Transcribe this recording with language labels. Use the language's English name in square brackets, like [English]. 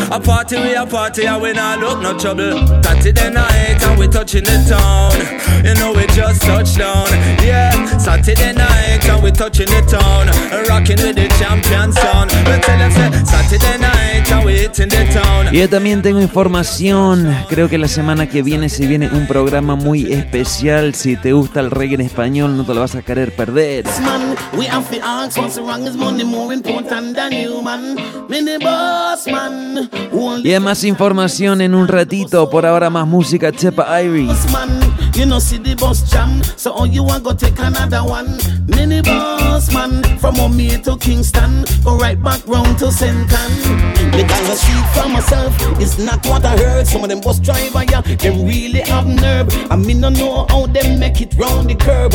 [English] A party we a party and we not look no trouble. Saturday night and we touching the town. You know we just touched down. Yeah, Saturday night and we touching the town. Rocking with the champion sound. We tell them Saturday night and we hitting the town. [Spanish] Yo también tengo información. Creo que la semana que viene se viene un programa muy especial. Si te gusta el reggae en español, no te lo vas a querer perder. [English] Man, we have to ask what's wrong is money more important than you, man. Mini boss, man. [Spanish] Y más información en un ratito. Por ahora más música, Chepa Irie. [English] You know see the bus jam, so all you want go take another one. Mini bus man, from Omea to Kingston, go right back round to St. Anne. Me got a street for myself, it's not what I heard. Some of them bus driver, yeah, them really have nerve. I mean no know how them make it round the curb.